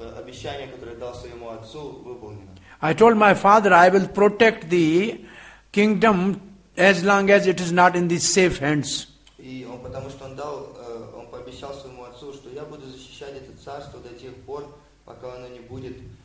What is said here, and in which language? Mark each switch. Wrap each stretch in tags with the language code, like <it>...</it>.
<ru>Обещание, которое дал своему отцу, выполнено.</ru> <en>I told my father, I will protect the kingdom as long as it is not in the safe hands.</en> <ru>И он, потому что он дал, он пообещал своему отцу, что я буду защищать это царство до тех пор, пока оно не будет</ru>